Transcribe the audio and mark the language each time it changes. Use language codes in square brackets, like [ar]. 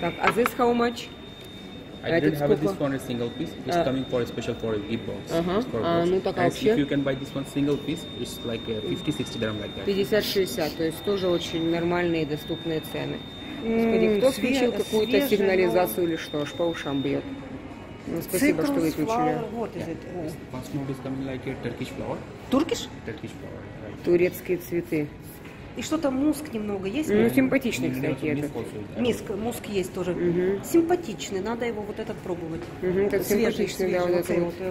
[en] Так, а this how much? I didn't have this one a single piece. It's coming for a special for a gift box. [ru] Ну, так вообще? [en] If you can buy this one single piece, it's like 50-60 dirham like that. [ru] 50-60, то есть тоже очень нормальные и доступные цены. Господи, кто включил какую-то сигнализацию или что? Аж по ушам бьет. Ну, спасибо, что выключили. Цикл, флауэр, вот это. [en] Fast mode is coming like a Turkish flower. Turkish? Turkish flower, right. [ru] Турецкие цветы. И что-то муск немного есть? Ну, симпатичный, кстати, этот. Миск, муск есть тоже. Симпатичный, надо его вот этот пробовать. Это симпатичный, да, вот этот вот.